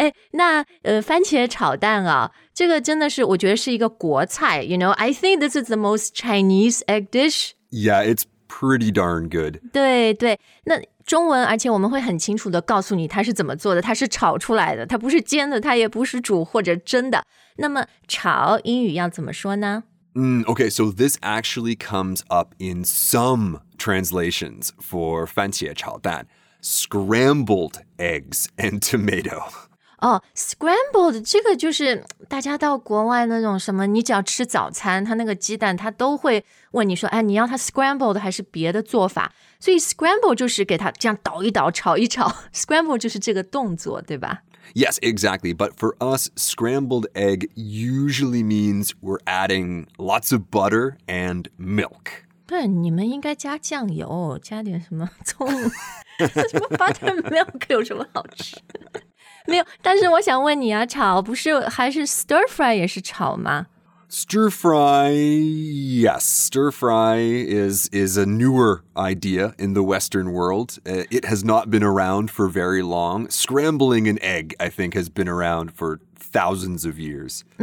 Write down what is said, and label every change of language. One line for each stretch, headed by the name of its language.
Chinese: 那番茄炒蛋啊，这个真的是我觉得是一个国菜。
English: You know, I think this is the most Chinese egg dish. Yeah, it's pretty darn good.
Chinese: 对对，那中文，而且我们会很清楚的告诉你它是怎么做的，它是炒出来的，它不是煎的，它也不是煮或者蒸的。那么炒英语要怎么说呢？
English: Okay, so this actually comes up in some translations for 番茄炒蛋, scrambled eggs and tomato.
Chinese: Oh, scrambled, 这个就是大家到国外那种什么，你只要吃早餐，他那个鸡蛋他都会问你说， 你要它scrambled还是别的做法。所以scrambled就是给它这样倒一倒，炒一炒， scramble就是这个动作，对吧？
English: Yes, exactly. But for us, scrambled egg usually means we're adding lots of butter and milk.
Chinese: 对，你们应该加酱油，加点什么葱。什么butter milk有什么好吃？没有，但是我想问你啊，炒不是还是stir fry也是炒吗？
English: Stir fry, yes. Stir fry is a newer idea in the Western world. It has not been around for very long. Scrambling an egg, I think, has been around for thousands of years.